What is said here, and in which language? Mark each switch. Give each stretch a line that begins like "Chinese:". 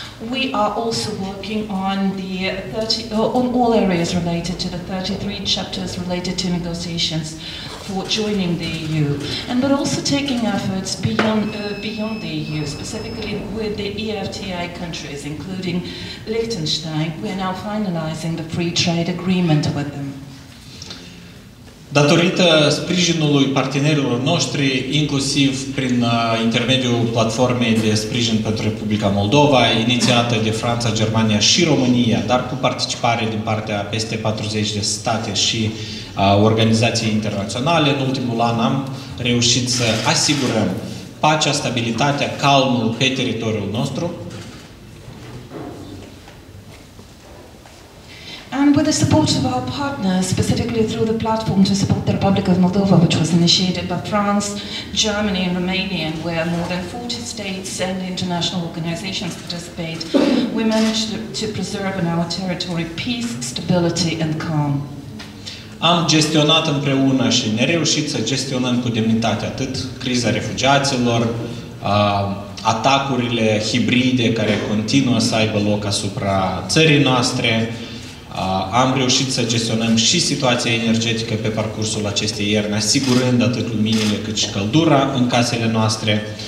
English: We are also working on the 30 on all areas related to the 33 chapters related to negotiations for joining the EU, and but also taking efforts beyond the EU, specifically with the EFTA countries, including Liechtenstein. We are now finalizing the free trade agreement with them.
Romanian: Datorită sprijinului partenerilor noștri, inclusiv prin intermediul platformei de sprijin pentru Republica Moldova, inițiată de Franța, Germania și România, dar cu participare din partea peste 40 de state și organizații internaționale, în ultimul an am reușit să asigurăm pacea, stabilitatea, calmul pe teritoriul nostru.
English: And with the support of our partners, specifically through the platform to support the Republic of Moldova, which was initiated by France, Germany and Romania, where more than 40 states and international organizations participate, we managed to preserve in our territory peace, stability and calm.
Romanian: Am gestionat împreună și ne reușit să gestionăm cu demnitate atât criza refugiaților, atacurile hibride care continuă să aibă loc asupra țării noastre, am reușit să gestionăm și situația energetică pe parcursul acestei ierni, asigurând atât luminile cât și căldura în casele noastre.